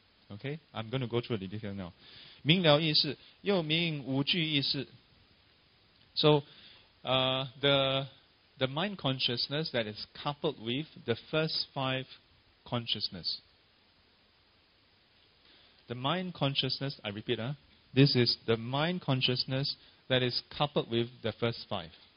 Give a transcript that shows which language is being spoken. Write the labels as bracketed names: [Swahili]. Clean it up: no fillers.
[English] Okay, I'm going to go through the detail now. [Chinese] 明了意识, 又名无惧意识. [English] So, the mind consciousness that is coupled with the first five consciousness. The mind consciousness, I repeat, this is the mind consciousness that is coupled with the first five.